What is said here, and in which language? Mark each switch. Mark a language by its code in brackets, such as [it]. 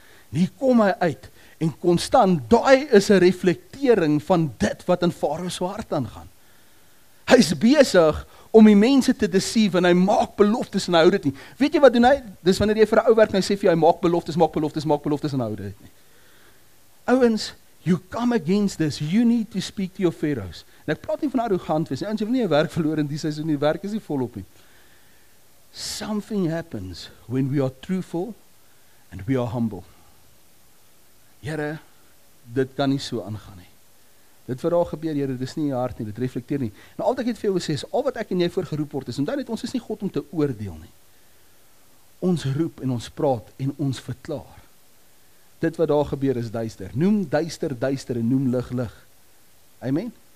[af] En hier kom hy uit, en konstant, daai is 'n reflektering van dit wat in Farao se hart aangaan. Hy's besig om die mense te deceive, en hy maak beloftes en hy hou dit nie. Weet jy wat doen hy? Dis wanneer jy vir 'n ou werk, en hy sê vir jou, hy maak beloftes en hou dit nie. [en] Ouens, you come against this, you need to speak to your pharaohs. [af] En ek praat nie van arrogant wees, en jy wil nie een werk verloor in die seisoen, die werk is nie volop nie. [en] Something happens when we are truthful and we are humble. [af] Here, dit kan nie so aangaan nie. Dit vir al gebeur, here, dit is nie in jou hart nie, dit reflekteer nie. En al wat ek het vir jou gesê, is al wat ek en jy voor geroep word, is omdat het ons is nie God om te oordeel nie. Ons roep en ons praat en ons verklaar. Dit wat daar gebeur is duister. Noem duister, duister en noem lig, lig. Amen?